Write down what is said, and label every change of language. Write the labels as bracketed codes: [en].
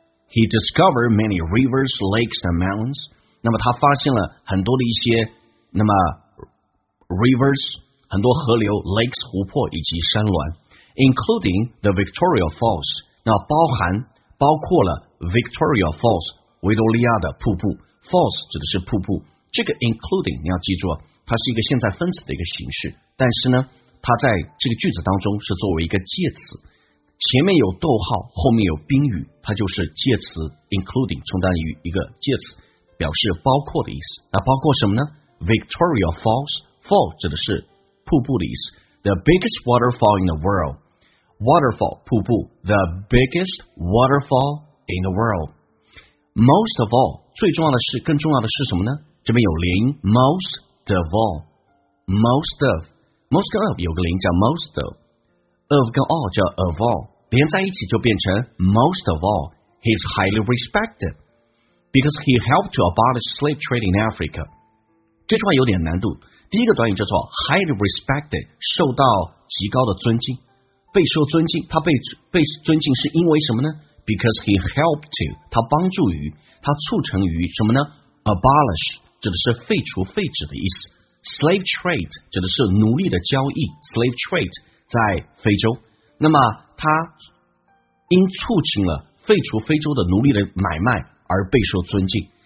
[en] He discovered many rivers, lakes, and mountains. [zh] 那么他发现了很多的一些，那么 rivers 很多河流 lakes 湖泊以及山峦 [en] including the Victoria Falls. [zh] 那包含包括了 Victoria Falls 维多利亚的瀑布。 Falls 指的是瀑布，这个 including 你要记住，它是一个现在分词的一个形式，但是呢，它在这个句子当中是作为一个介词。前面有逗号，后面有宾语，它就是介词 including， 充当于一个介词，表示包括的意思。那包括什么呢？ Victoria Falls， fall 指的是瀑布的意思。 [en] The biggest waterfall in the world， waterfall 瀑布， The biggest waterfall in the world。 Most of all [zh] 最重要的是，更重要的是什么呢？这边有连音 [en] most of all， most of， most of 有个连音叫 most ofOf 跟 all 叫 of all， [zh] 连在一起就变成 [en] most of all。 He is highly respected because he helped to abolish slave trade in Africa。 [zh] 这句话有点难度，第一个短语叫做 [en] highly respected， [zh] 受到极高的尊敬，备受尊敬。他 被尊敬是因为什么呢？ [en] Because he helped to， [zh] 他帮助于，他促成于什么呢？ Abolish 指的是废除废止的意思， slave trade 指的是奴隶的交易， slave trade在非洲，那么他因促进了废除非洲的奴隶的买卖而备受尊敬。